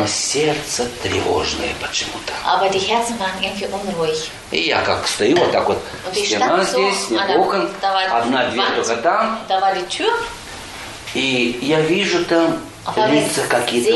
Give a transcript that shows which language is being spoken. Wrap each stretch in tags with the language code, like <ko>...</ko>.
<ru>Но сердце тревожное почему-то.</ru> <de>Aber die Herzen waren irgendwie unruhig.</de> <ru>И я как стою вот так вот, стена здесь, нет окон, одна дверь только там.</ru> <de>Da war die Tür.</de> <ru>И я вижу там лица какие-то</ru>